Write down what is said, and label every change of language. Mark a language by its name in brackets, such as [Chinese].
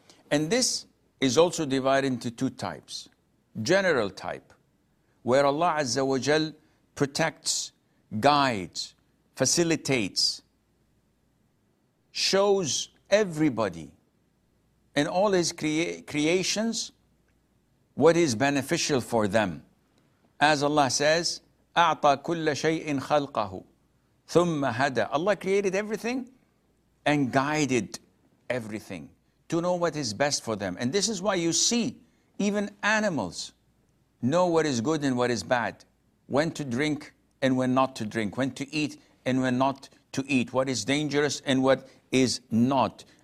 [English] And this is also divided into two types. General type, where Allah Azza wa Jal protects, guides, facilitates, shows everybody and all His creations what is beneficial for them. As Allah says, [Arabic] أَعْطَى كُلَّ شَيْءٍ خَلْقَهُ ثُمَّ هَدَى. [English] Allah created everything and guided everything to know what is best for them. And this is why you see even animals know what is good and what is bad, when to drink and when not to drink, when to eat and when not to eat, what is dangerous and what is not.